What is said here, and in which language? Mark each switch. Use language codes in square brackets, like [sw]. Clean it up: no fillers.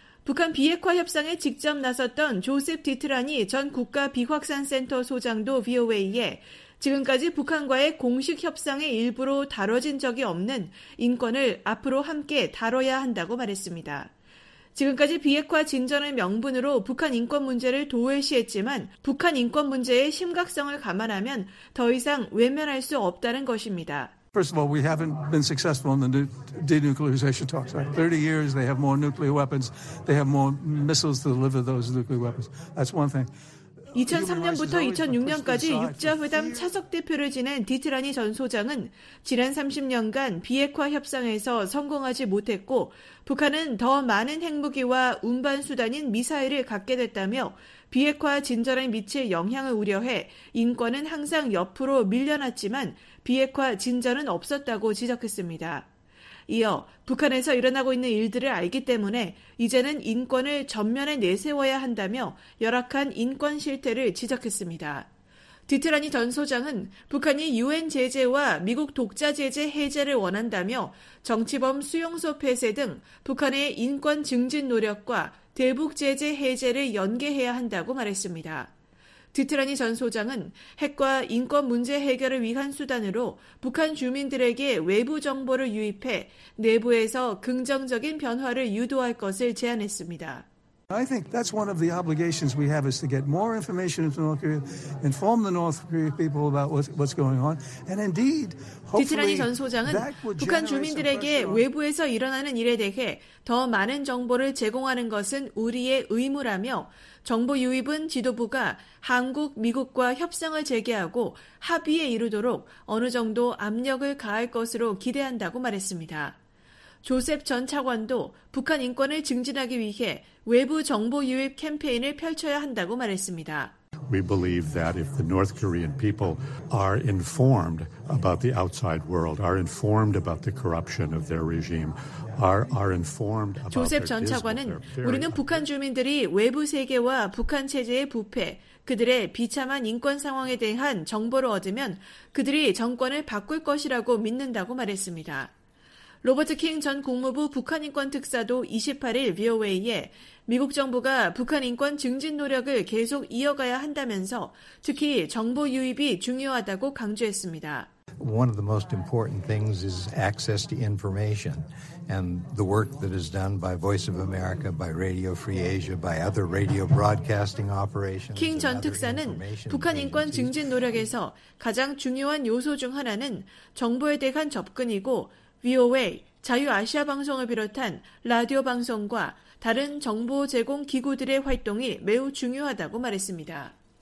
[ko] 북한 비핵화 협상에 직접 나섰던 조셉 디트라니 전 국가비확산센터 소장도 VOA에 지금까지 북한과의 공식 협상의 일부로 다뤄진 적이 없는 인권을 앞으로 함께 다뤄야 한다고 말했습니다. 지금까지 비핵화 진전을 명분으로 북한 인권 문제를 도외시했지만 북한 인권 문제의 심각성을 감안하면 더 이상 외면할 수 없다는 것입니다. [en] First of all, we haven't been successful in the denuclearization talks. Right? 30 years, they have more nuclear weapons. They have more missiles to deliver those nuclear weapons. That's one thing. [ko] 2003년부터 2006년까지 6자회담 차석대표를 지낸 디트라니 전 소장은 지난 30년간 비핵화 협상에서 성공하지 못했고 북한은 더 많은 핵무기와 운반수단인 미사일을 갖게 됐다며 비핵화 진전에 미칠 영향을 우려해 인권은 항상 옆으로 밀려났지만 비핵화 진전은 없었다고 지적했습니다. 이어 북한에서 일어나고 있는 일들을 알기 때문에 이제는 인권을 전면에 내세워야 한다며 열악한 인권 실태를 지적했습니다. 디트라니 전 소장은 북한이 유엔 제재와 미국 독자 제재 해제를 원한다며 정치범 수용소 폐쇄 등 북한의 인권 증진 노력과 대북 제재 해제를 연계해야 한다고 말했습니다. 디트라니 전 소장은 핵과 인권 문제 해결을 위한 수단으로 북한 주민들에게 외부 정보를 유입해 내부에서 긍정적인 변화를 유도할 것을 제안했습니다. [en] I think that's one of the obligations we have is to get more information into North Korea, inform the North Korean people about what's going on, and indeed, hopefully, [ko] 디트라니 전 소장은 북한 주민들에게 외부에서 일어나는 일에 대해 더 많은 정보를 제공하는 것은 우리의 의무라며 정보 유입은 지도부가 한국, 미국과 협상을 재개하고 합의에 이르도록 어느 정도 압력을 가할 것으로 기대한다고 말했습니다. 조셉 전 차관도 북한 인권을 증진하기 위해 외부 정보 유입 캠페인을 펼쳐야 한다고 말했습니다. [en] We believe that if the North Korean people are informed about the outside world, are informed about the corruption of their regime, are informed about [ko] 조셉 전 차관은 우리는 북한 주민들이 외부 세계와 북한 체제의 부패, 그들의 비참한 인권 상황에 대한 정보를 얻으면 그들이 정권을 바꿀 것이라고 믿는다고 말했습니다. 로버트 킹 전 국무부 북한인권특사도 28일 VOA에 미국 정부가 북한인권 증진 노력을 계속 이어가야 한다면서 특히 정보 유입이 중요하다고 강조했습니다. [en] One of the most important things is access to information and the work that is done by Voice of America, by Radio Free Asia, by other radio broadcasting operations. [ko] 킹 전 특사는 북한 인권 증진 노력에서 가장 중요한 요소 중 하나는 정보에 대한 접근이고 VOA, 자유아시아 방송을 비롯한 라디오 방송과 다른 정보 제공 기구들의 활동이 매우 중요하다고 말했습니다.